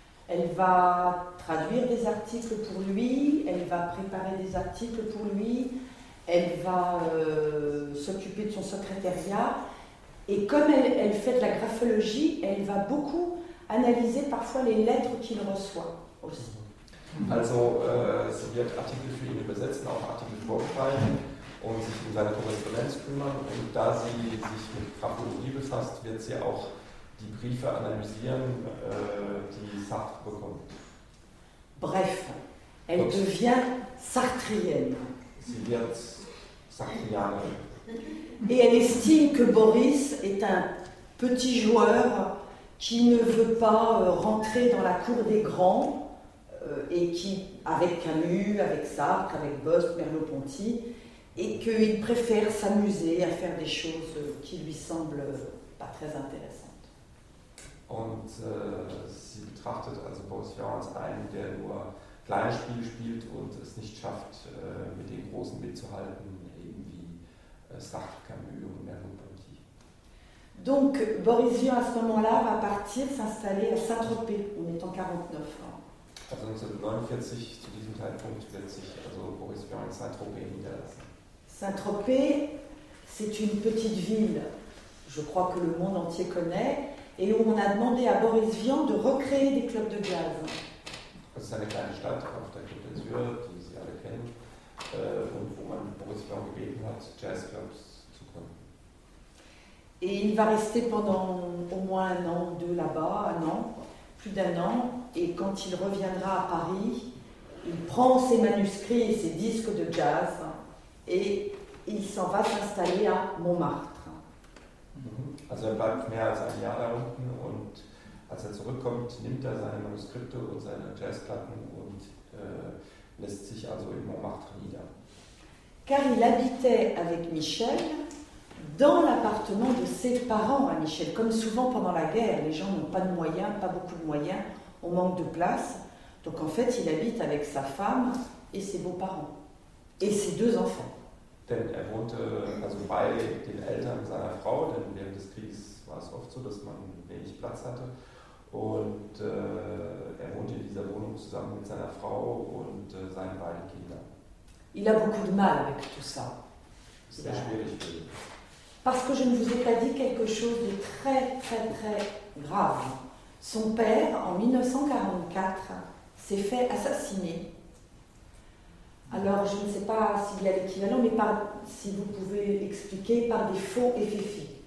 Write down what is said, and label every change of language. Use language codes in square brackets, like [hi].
[fr] Elle va traduire des articles pour lui, elle va préparer des articles pour lui, elle va s'occuper de son secrétariat, et comme elle fait de la graphologie, elle va beaucoup analyser parfois les lettres qu'il reçoit. [de] Also, sie wird Artikel für ihn übersetzen, auch Artikel vorschreiben und sich um seine Korrespondenz kümmern. Und da sie sich mit Graphologie befasst, wird sie auch die Briefe analysieren, die Sartre bekommt. [fr] Bref, elle devient sartrienne. [de] Sie wird Sartrianerin. [fr] Et elle estime que Boris est un petit joueur qui ne veut pas rentrer dans la cour des grands. Et qui, avec Camus, avec Sartre, avec Bost, Merleau-Ponty, et qu'il préfère s'amuser à faire des choses qui lui semblent pas très intéressantes. [de] Und sie betrachtet also Boris Vian als einen, der nur Kleinspiele spielt und es nicht schafft, mit den Großen mitzuhalten, eben wie Sartre, Camus und Merleau-Ponty. [fr] Donc Boris Vian à ce moment-là va partir s'installer à Saint-Tropez, on est en 49 ans. [de] Also 1949, zu diesem Zeitpunkt, wird sich also Boris Vian in Saint-Tropez niederlassen. [fr] Saint-Tropez, c'est une petite ville, je crois que le monde entier connaît, et où on a demandé à Boris Vian de recréer des clubs de jazz. C'est une petite ville, [de] auf der [fr] Côte d'Azur, que vous tous connaissez, où on a Boris Vian [de] gebeten hat, jazz clubs zu gründen. [fr] Et il va rester pendant au moins un an ou deux là-bas, un an, plus d'un an, et quand il reviendra à Paris, il prend ses manuscrits et ses disques de jazz et il s'en va s'installer à Montmartre. [de] Also er bleibt mehr als ein Jahr da unten und als er zurückkommt, nimmt er seine Manuskripte und seine Jazzplatten und lässt sich also in Montmartre nieder. [fr] Car il habitait avec Michel dans l'appartement de ses parents à Michel. Comme souvent pendant la guerre, les gens n'ont pas de moyens, pas beaucoup de moyens, on manque de place. Donc en fait, il habite avec sa femme et ses beaux-parents et ses deux enfants. [de] Denn er wohnte also bei den Eltern seiner Frau, denn während des Krieges war es oft so, dass man wenig Platz hatte. Und er wohnte in dieser Wohnung zusammen mit seiner Frau und seinen beiden Kindern. [fr] Il a beaucoup de mal avec tout ça. C'est très [de] schwierig für ihn. [fr] Parce que je ne vous ai pas dit quelque chose de très, très, très grave. Son père, en 1944, s'est fait assassiner. Alors, je ne sais pas s'il y a l'équivalent, mais par, si vous pouvez expliquer, par des faux FFI.